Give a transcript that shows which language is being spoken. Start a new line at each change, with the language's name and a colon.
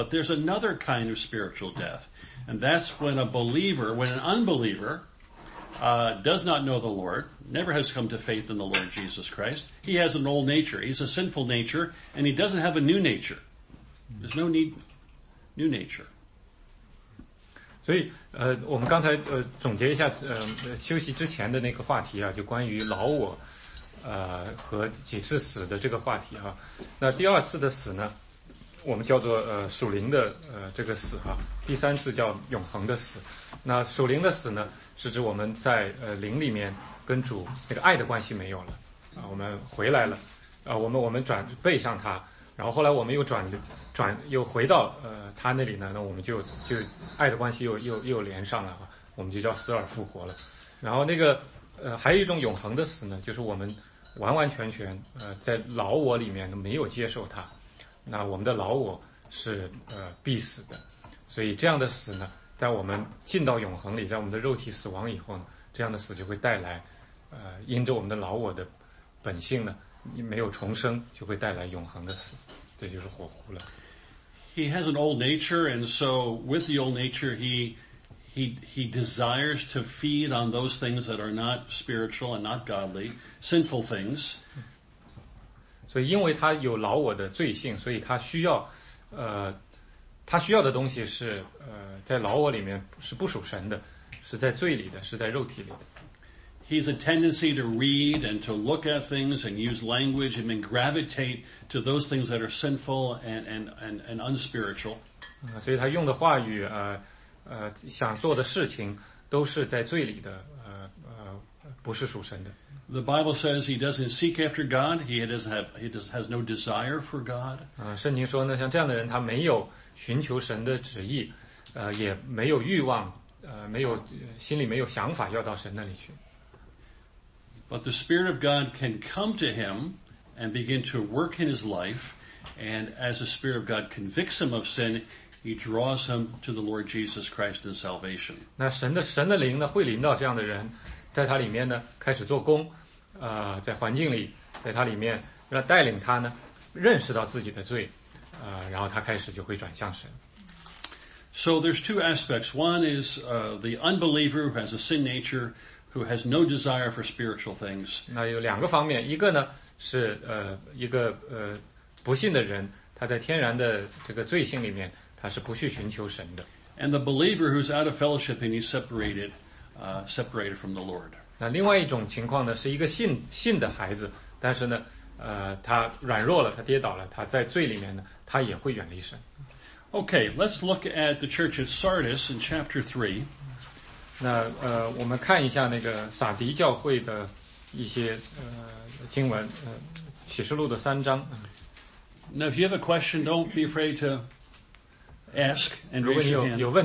English: But there's another kind of spiritual death. And that's when an unbeliever, does not know the Lord, never has come to faith in the Lord Jesus Christ. He has an old nature. He's a sinful nature, and he doesn't have a new nature. There's no need, new nature.
Chinese: 所以我们刚才总结一下休息之前的那个话题啊，就关于老我。和几次死的这个话题哈、啊，那第二次的死呢，我们叫做属灵的这个死哈、啊，第三次叫永恒的死。那属灵的死呢，是指我们在灵里面跟主那个爱的关系没有了啊，我们回来了啊，我们转背向他，然后后来我们又转又回到他那里呢，那我们就爱的关系又连上了啊，我们就叫死而复活了，然后那个。还有一种永恒的死呢，就是我们完完全全在老我里面没有接受它，那我们的老我是必死的，所以这样的死呢，在我们进到永恒里，在我们的肉体死亡以后呢，这样的死就会带来因着我们的老我的本性呢没有重生，就会带来永恒的死，这就是火狐了。
English: He has an old nature, and so with the old nature he desires to feed on those things that are not spiritual and not godly, sinful things.
Chinese: 所以因为他有老我的罪性，所以他需要的东西是在老我里面是不属神的，是在罪里的，是在肉体里的。
English: He has a tendency to read and to look at things and use language and then gravitate to those things that are sinful and unspiritual.
Chinese: 所以他用的话语想做的事情都是在罪里的不是属神的。
English: The Bible says he doesn't seek after God, he has no desire for God.
Chinese: 圣经说呢，像这样的人他没有寻求神的旨意，也没有欲望，没有心里没有想法要到神那里去。
English: But the Spirit of God can come to him and begin to work in his life, and as the Spirit of God convicts him of sin,He draws him to the Lord Jesus Christ in salvation.
Chinese: 那神的灵呢，会临到这样的人，在他里面呢，开始做工，在环境里，在他里面，让带领他呢，认识到自己的罪，然后他开始就会转向神。
English: So there's two aspects. One is the unbeliever who has a sin nature, who has no desire for spiritual things.
Chinese: 那有两个方面，一个呢是一个不信的人，他在天然的这个罪性里面。他是不去寻求神的。
English: And the believer who's out of fellowship and he's separated from the Lord.
Chinese: 那另外一种情况呢，是一个信的孩子，但是呢，他软弱了，他跌倒了，他在罪里面呢，他也会远离神。
English: Okay, let's look at the church at Sardis in chapter 3.
Chinese: 那我们看一下那个撒迪教会的一些经文，启示录的三章。
English: Now, if you have a question, don't be afraid to. Ask and raise your hand.